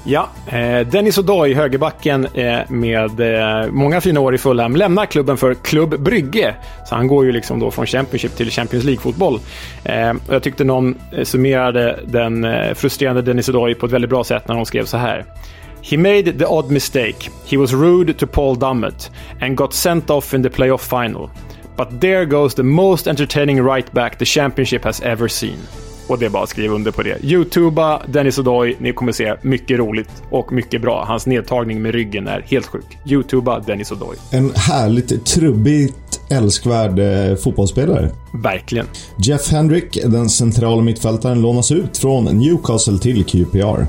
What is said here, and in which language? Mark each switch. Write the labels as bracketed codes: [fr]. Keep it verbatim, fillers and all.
[sv] Ja, eh, Dennis O'Doy, högerbacken eh, med eh, många fina år i Fulham, lämnar klubben för Klubb Brygge. Så han går ju liksom då från Championship till Champions League-fotboll. Eh, och jag tyckte någon summerade den eh, frustrerande Dennis O'Doy på ett väldigt bra sätt när hon skrev så här: [en] He made the odd mistake. He was rude to Paul Dummett and got sent off in the playoff final. But there goes the most entertaining right back the championship has ever seen. [sv] Och det är bara att skriva under på det. YouTuba Dennis O'Doy, ni kommer se mycket roligt och mycket bra. Hans nedtagning med ryggen är helt sjuk. YouTuba Dennis O'Doy. En härligt trubbigt älskvärd eh, fotbollsspelare. Verkligen. Jeff Hendrick, den centrala mittfältaren, lånas ut från Newcastle till Q P R.